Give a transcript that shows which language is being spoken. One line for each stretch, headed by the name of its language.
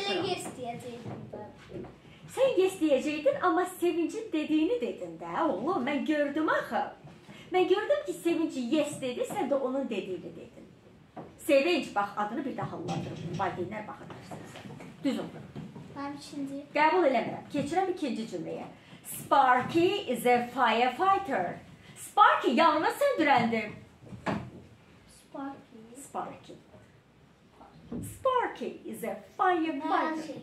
Azerbaijani: Sen yes deyəcəydin, amma Sevincin dediyini dedin də, oğlum. Mən gördüm axı. Mən gördüm ki, Sevinci yes dedi, sən də onun dediyini dedin. Sevinç, bax, adını bir daha hallandırıb. Valideynlər baxırsınız. Düz oldu. Qəbul eləmirəm. Keçirəm ikinci cümləyə.
English: Sparky is a firefighter.
Azerbaijani: Sparky yanına söndürəndir.
English: Sparky. Sparky is a firefighter.